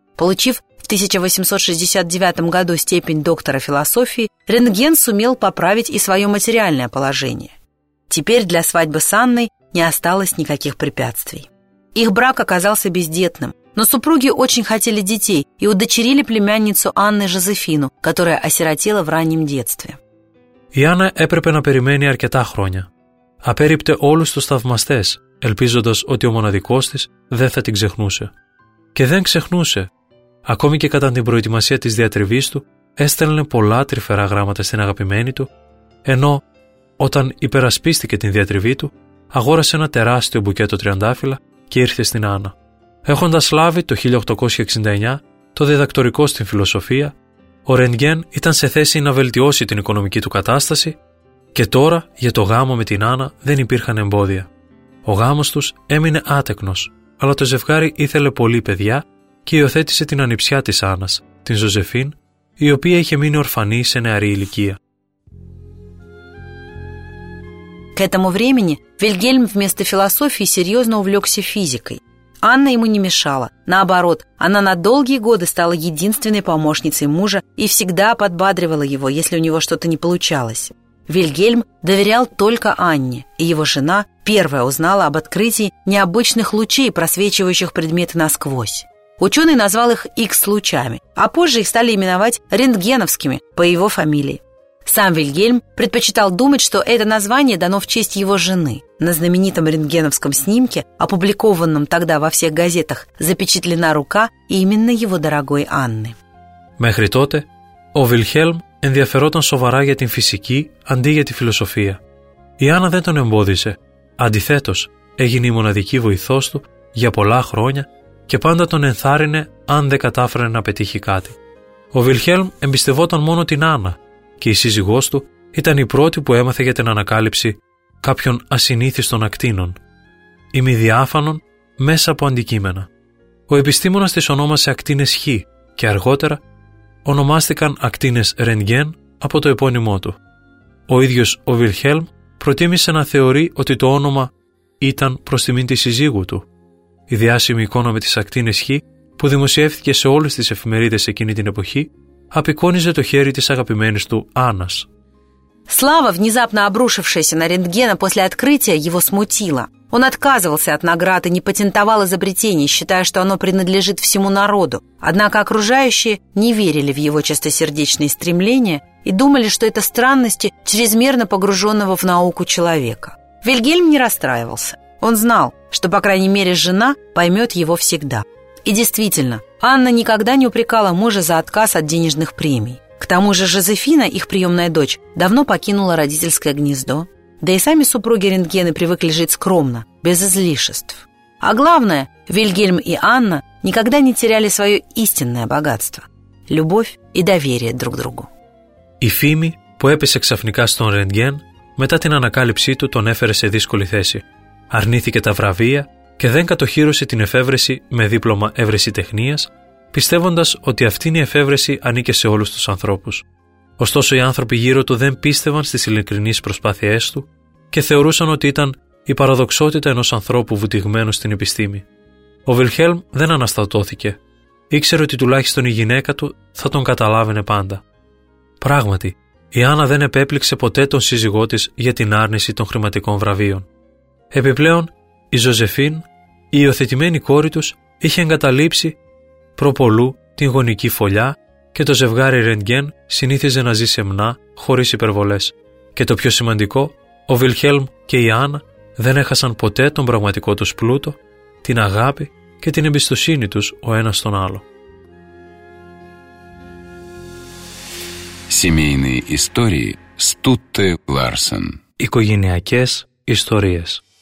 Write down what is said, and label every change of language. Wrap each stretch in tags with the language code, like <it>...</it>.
<ru>Получив в 1869 году степень доктора философии, Рентген сумел поправить и свое материальное положение. Теперь для свадьбы с Анной не осталось никаких препятствий. Их брак оказался бездетным, но супруги очень хотели детей и удочерили племянницу Анны Жозефину, которая осиротела в раннем детстве.</ru> <el>Η Άννα έπρεπε να περιμένει αρκετά χρόνια. Απέρριπτε όλους τους θαυμαστές, ελπίζοντας ότι ο μοναδικός της δεν θα την ξεχνούσε. Και δεν ξεχνούσε. Ακόμη και κατά την προετοιμασία της διατριβής του, έστελνε πολλά τρυφερά γράμματα στην αγαπημένη του, ενώ όταν υπερασπίστηκε την διατριβή του, αγόρασε ένα τεράστιο μπουκέτο τριαντάφυλλα και ήρθε στην Άννα. Έχοντας λάβει το 1869 το διδακτορικό στην φιλοσοφία, ο Ρεντγκέν ήταν σε θέση να βελτιώσει την οικονομική του κατάσταση και τώρα για το γάμο με την Άννα δεν υπήρχαν εμπόδια. Ο γάμος τους έμεινε άτεκνος, αλλά το ζευγάρι ήθελε πολύ παιδιά και υιοθέτησε την ανιψιά της Άννας, την Ζωζεφίν, η οποία είχε μείνει ορφανή σε νεαρή ηλικία.</el> <ru>К этому времени Вильгельм вместо философии серьезно увлекся физикой. Анна ему не мешала. Наоборот, она на долгие годы стала единственной помощницей мужа и всегда подбадривала его, если у него что-то не получалось. Вильгельм доверял только Анне, и его жена первая узнала об открытии необычных лучей, просвечивающих предметы насквозь. Ученый назвал их X-лучами, а позже их стали именовать рентгеновскими по его фамилии. Сам Вильгельм предпочитал думать, что это название дано в честь его жены. На знаменитом рентгеновском снимке, опубликованном тогда во всех газетах, запечатлена рука именно его дорогой Анны.</ru> <el>Мехри тоте, о Вильгельм ενδιαφερόταν σοβαρά για την φυσική αντί για τη φιλοσοφία. Η Άννα δεν τον εμπόδισε. Αντιθέτως, έγινε η μοναδική βοηθός του για πολλά χρόνια και πάντα τον ενθάρρυνε αν δεν κατάφερε να πετύχει κάτι. Ο Βιλχέλμ εμπιστευόταν μόνο την Άννα και η σύζυγός του ήταν η πρώτη που έμαθε για την ανακάλυψη κάποιων ασυνήθιστων ακτίνων, ημιδιάφανων μέσα από αντικείμενα. Ο επιστήμονας τις ονόμασε ακτίνες Χ και αργότερα ονομάστηκαν ακτίνες Ρεντγκέν από το επώνυμό του. Ο ίδιος ο Βιλχέλμ προτίμησε να θεωρεί ότι το όνομα ήταν προς τιμήν της σύζυγου του. Η διάσημη εικόνα με τις ακτίνες Χ, που δημοσιεύθηκε σε όλες τις εφημερίδες εκείνη την εποχή, απεικόνιζε το χέρι της αγαπημένης του Άννας.</el> <ru>Слава, внезапно обрушившаяся на Рентгена после открытия, его смутила. Он отказывался от наград и не патентовал изобретение, считая, что оно принадлежит всему народу. Однако окружающие не верили в его чистосердечные стремления и думали, что это странности чрезмерно погруженного в науку человека. Вильгельм не расстраивался. Он знал, что, по крайней мере, жена поймет его всегда. И действительно, Анна никогда не упрекала мужа за отказ от денежных премий. К тому же Жозефина, их приемная дочь, давно покинула родительское гнездо. Да и сами супруги Рентгены привыкли жить скромно, без излишеств. А главное, Вильгельм и Анна никогда не теряли свое истинное богатство – любовь и доверие друг другу.</ru> <el>Η φήμη που έπεσε ξαφνικά στον Ρεντγκέν μετά την ανακάλυψή του τον έφερε σε δύσκολη θέση. Αρνήθηκε τα βραβεία και δεν κατοχύρωσε την εφεύρεση με δίπλωμα έβρεση τεχνίας, πιστεύοντας ότι αυτήν η εφεύρεση ανήκε σε όλους τους ανθρώπους. Ωστόσο, οι άνθρωποι γύρω του δεν πίστευαν στις ειλικρινείς προσπάθειές του και θεωρούσαν ότι ήταν η παραδοξότητα ενός ανθρώπου βουτυγμένου στην επιστήμη. Ο Βιλχέλμ δεν αναστατώθηκε. Ήξερε ότι τουλάχιστον η γυναίκα του θα τον καταλάβαινε πάντα. Πράγματι, η Άννα δεν επέπληξε ποτέ τον σύζυγό της για την άρνηση των χρηματικών βραβείων. Επιπλέον, η Ζωζεφίν, η υιοθετημένη κόρη τους, είχε εγκαταλείψει προπολού την γονική φωλιά και το ζευγάρι Ρεντγκέν συνήθιζε να ζει σεμνά, χωρίς υπερβολές. Και το πιο σημαντικό, ο Βιλχέλμ και η Άννα δεν έχασαν ποτέ τον πραγματικό τους πλούτο, την αγάπη και την εμπιστοσύνη τους ο ένας στον άλλο.</el> <ru>Семейные истории Стутте Ларсен.</ru> <el>Οικογενειακές ιστορίες.</el>